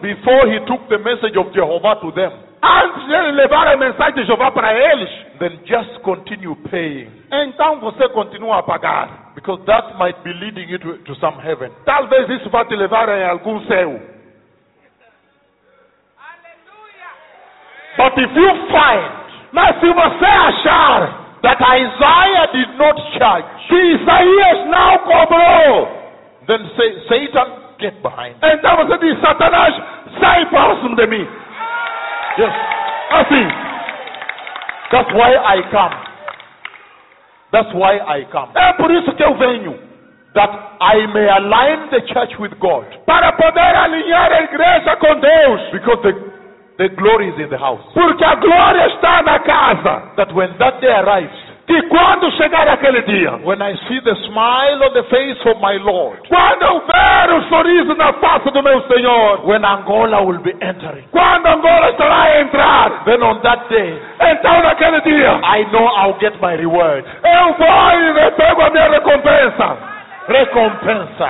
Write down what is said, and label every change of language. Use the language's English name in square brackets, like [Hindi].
[English] before he took the message of Jehovah to them. [Portuguese] Antes de levar a mensagem de Jeová para eles. [English] Then just continue paying. [Portuguese] Então você continua a pagar. [English] Because that might be leading you to some heaven. [Portuguese] Talvez isso vá te levar a algum céu. Aleluia. [English] But if you find, [Portuguese] mas se você achar [English] that Isaiah did not charge, [Portuguese] que Isaías não cobrou, [English] then say, Satan, get behind. [Portuguese] Então você diz, Satanás, sai próximo de mim. [English] Yes. [Portuguese] Assim. [English] That's why I come. [Portuguese] É por isso que eu venho. [English] That I may align the church with God. [Portuguese] Para poder alinhar a igreja com Deus. [English] Because the glory is in the house. [Portuguese] Porque a glória está na casa. [English] That when that day arrives, [Portuguese] que quando chegar aquele dia, [English] when I see the smile on the face of my Lord, [Portuguese] quando eu ver o sorriso na face do meu Senhor, [English] when Angola will be entering, [Portuguese] quando Angola estará a entrar, [English] then on that day, [Portuguese] então naquele dia, [English] I know I'll get my reward. [Portuguese] Eu vou e recebo a minha recompensa. Recompensa.